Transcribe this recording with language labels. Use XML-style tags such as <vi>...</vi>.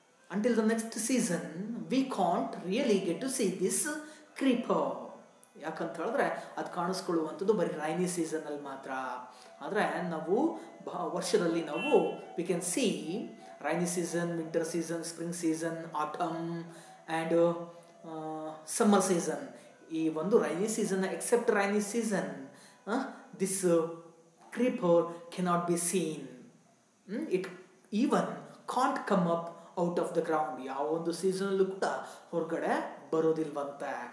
<en>until the next season we can't really get to see this creeper,</en> <kn>ಯಾಕಂತ ಹೇಳಿದ್ರೆ ಅದು ಕಾಣಿಸ್ಕೊಳ್ಳುವಂಥದ್ದು ಬರೀ ರೈನಿ ಸೀಸನಲ್ಲಿ ಮಾತ್ರ, ಆದರೆ ನಾವು ವರ್ಷದಲ್ಲಿ ನಾವು</kn> <en>We can see rainy season, winter season, spring season, autumn and summer season.</en> <kn>ಈ ಒಂದು</kn> <en>Rainy season except rainy season this creeper cannot be seen. It even can't come up out of the ground.</en> <kn>ಯಾವೊಂದು ಸೀಸನಲ್ಲೂ ಕೂಡ ಹೊರಗಡೆ ಬರೋದಿಲ್ವಂತ.</kn>